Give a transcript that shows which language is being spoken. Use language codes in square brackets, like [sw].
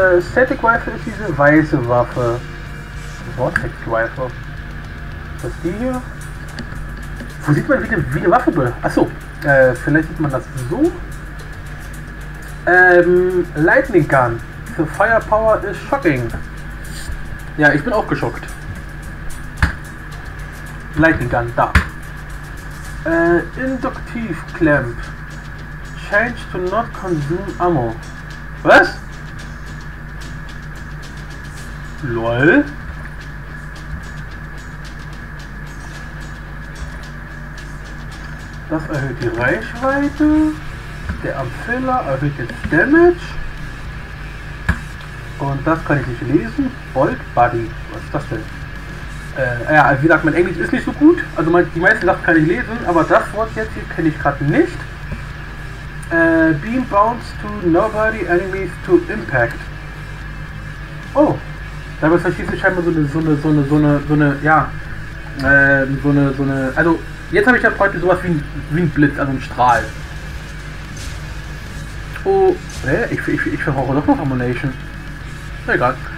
[de] Static Rifle ist diese weiße Waffe. Vortex Rifle. Was ist die hier? Wo sieht man wie eine Waffe? Achso, vielleicht sieht man das so. [en] Lightning Gun. The Firepower is shocking. [de] Ja, ich bin auch geschockt. Lightning Gun, da. Induktiv Clamp. [en] Change to not consume ammo. [de] Was? Lol. Das erhöht die Reichweite. Der Ampfiller erhöht jetzt Damage. Und das kann ich nicht lesen. Bolt Buddy. Was ist das denn? Wie gesagt, mein Englisch ist nicht so gut. Also die meisten Sachen kann ich lesen, aber das Wort jetzt hier kenne ich gerade nicht. [en] Beam Bounce to Nobody Enemies to Impact. [de] Oh, damit verschießt sich scheinbar so eine. Also jetzt habe ich ja praktisch sowas wie ein Blitz, also ein Strahl. Oh, ich verbrauche doch noch Ammunition. Egal.